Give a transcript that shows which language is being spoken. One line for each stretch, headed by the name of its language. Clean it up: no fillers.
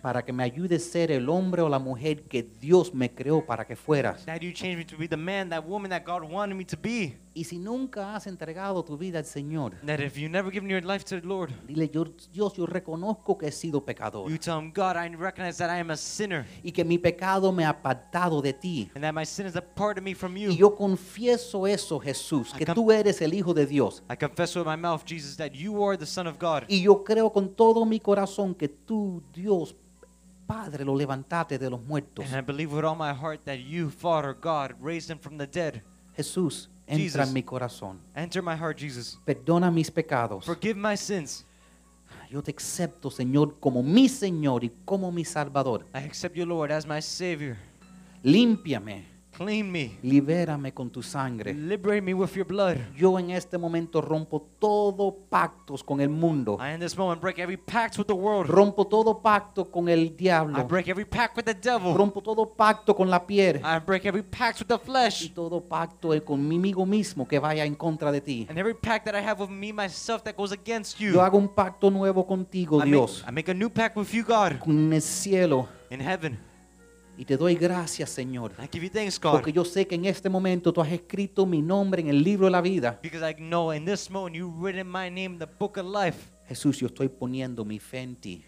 Spanish: Para que me ayudes a ser el hombre o la mujer que Dios me creó para que fueras.
English: That you change me to be the man, that woman that God wanted me to be.
Spanish: Y si nunca has entregado tu vida al Señor.
English: That if you've never given your life to the Lord.
Spanish: Dile, Dios, yo reconozco que he sido pecador.
English: You tell him, God, I recognize that I am a sinner.
Spanish: Y que mi pecado me ha apartado de ti.
English: And that my sin has
Spanish: apartado
English: me from you.
Spanish: Y yo confieso eso, Jesús, que tú eres el Hijo de Dios.
English: I confess with my mouth, Jesus, that you are the Son of God.
Spanish: Y yo creo con todo mi corazón que tú, Dios, Padre, lo levantaste de los muertos.
English: And I believe with all my heart that you, Father God, raised him from the dead.
Spanish: Jesús.
English: Jesus,
Spanish: entra en mi corazón.
English: Enter my heart, Jesus.
Spanish: Perdona mis pecados.
English: Forgive my sins.
Spanish: Yo te acepto, Señor, como mi Señor y como mi Salvador.
English: I accept you, Lord, as my Savior.
Spanish: Límpiame.
English: Clean me.
Spanish: Libérame con tu sangre.
English: Liberate me with your blood.
Spanish: Yo en este momento rompo todo pactos con el mundo.
English: I in this moment break every pact with the world.
Spanish: Rompo todo pacto con el diablo.
English: I break every pact with the devil.
Spanish: Rompo todo pacto con la piel.
English: I break every pact with the flesh.
Spanish: Y todo pacto conmigo mismo que vaya en contra de ti.
English: And every pact that I have with me myself that goes against you.
Spanish: Yo hago un pacto nuevo contigo, Dios.
English: I make a new pact with you, God.
Spanish: En el cielo.
English: In heaven.
Spanish: Y te doy gracias, Señor.
English: I give you thanks, God.
Spanish: Porque yo sé que en este momento tú has escrito mi nombre en el libro de la vida.
English: Because I know in this moment you've written my name in the book of life.
Spanish: Jesús, yo estoy poniendo mi fe en ti.